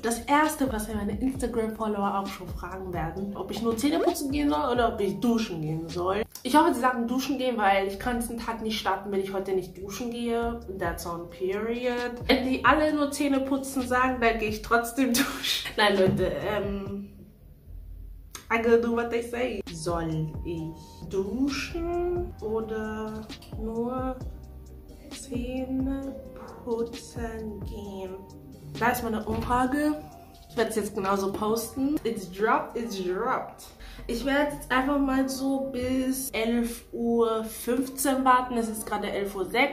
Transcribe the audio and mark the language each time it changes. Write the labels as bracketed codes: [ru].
[de] Das erste, was mir meine Instagram-Follower auch schon fragen werden, ob ich nur Zähne putzen gehen soll oder ob ich duschen gehen soll. Ich hoffe, sie sagen duschen gehen, weil ich kann diesen Tag nicht starten, wenn ich heute nicht duschen gehe. [en] That's on period. [de] Wenn die alle nur Zähne putzen sagen, dann gehe ich trotzdem duschen. Nein, Leute, [en] I gotta do what they say. [de] Soll ich duschen oder nur Zähne putzen gehen? Da ist meine Umfrage. Ich werde es jetzt genauso posten. [en] It's dropped. [de] Ich werde jetzt einfach mal so bis 11.15 Uhr warten. Es ist gerade 11.06 Uhr.